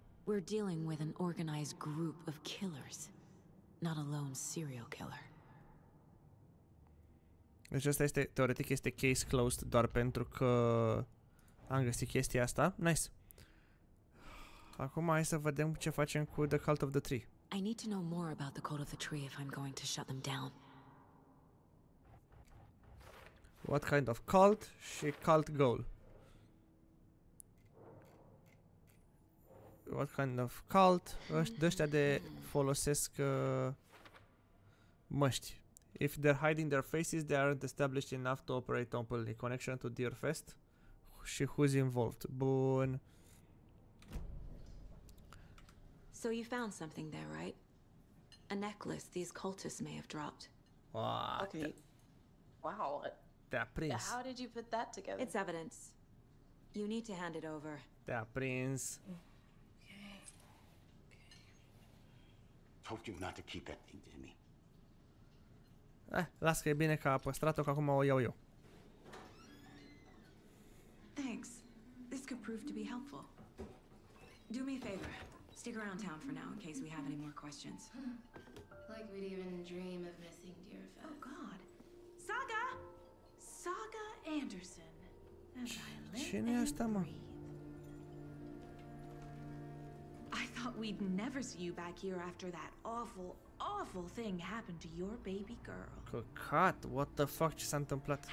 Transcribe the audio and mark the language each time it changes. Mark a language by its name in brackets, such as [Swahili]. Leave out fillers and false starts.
[English] We're dealing with an organized group of killers, not a lone serial killer. [Romanian] Deci asta este, teoretic este case closed doar pentru că am găsit chestia asta. Nice. Acum hai să vedem ce facem cu The Cult of the Tree. [English] I need to know more about the Cult of the Tree if I'm going to shut them down. What kind of cult și cult goal? What kind of cult? [Romanian] Ăștia de folosesc măști. [English] If they're hiding their faces, they aren't established enough to operate openly. Connection to Deerfest. Și who's involved? Bun. So you found something there, right? A necklace these cultists may have dropped. Wow. Okay. Wow. How did you put that together? It's evidence. You need to hand it over. [Romanian] Da, prince. [English] Okay. Okay. Told you not to keep that thing, Jimmy. [Romanian] Las că e bine că a păstrat-o, că acum o iau eu. [English] Thanks. This could prove to be helpful. Do me a favor. Stick around town for now in case we have any more questions. Like we'd even dream of missing dear Fez. Oh, God. Saga! Saga Anderson. [Romanian] Cine e asta, mă? [English] I thought we'd never see you back here after that awful, awful thing happened to your baby girl. [Romanian] Căcat, [English] what the fuck, [Romanian] ce s-a întâmplat?